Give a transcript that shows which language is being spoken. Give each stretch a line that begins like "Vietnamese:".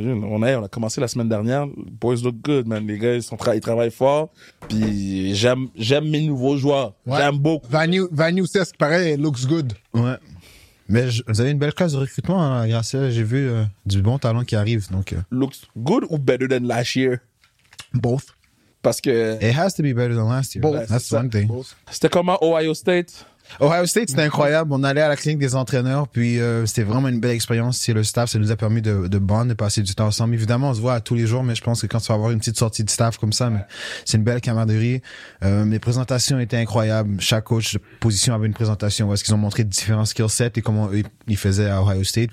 French: On a commencé la semaine dernière.
English: Boys look good, man.
French: Les gars, ils travaillent fort. Puis j'aime mes nouveaux joueurs. Ouais. J'aime beaucoup. Vanier aussi, ce qui paraît,
English: looks good.
French: Ouais. Mais vous avez une belle classe de recrutement, hein, grâce à ça. J'ai vu du bon talent qui arrive. Donc,
English: Looks good ou better than last year? Both.
French: Parce que...
English: It has to be better than last year. That's one thing.
French: C'était comment Ohio State? Ohio State, c'était incroyable. On allait à la clinique des entraîneurs, puis c'était vraiment une belle expérience. C'est le staff, ça nous a permis de bond, de passer du temps ensemble. Évidemment, on se voit à tous les jours, mais je pense que quand tu vas avoir une petite sortie de staff comme ça, mais c'est une belle camaraderie. Les présentations étaient incroyables. Chaque coach de position avait une présentation où est-ce qu'ils ont montré différents skill sets et comment eux, ils faisaient à Ohio State.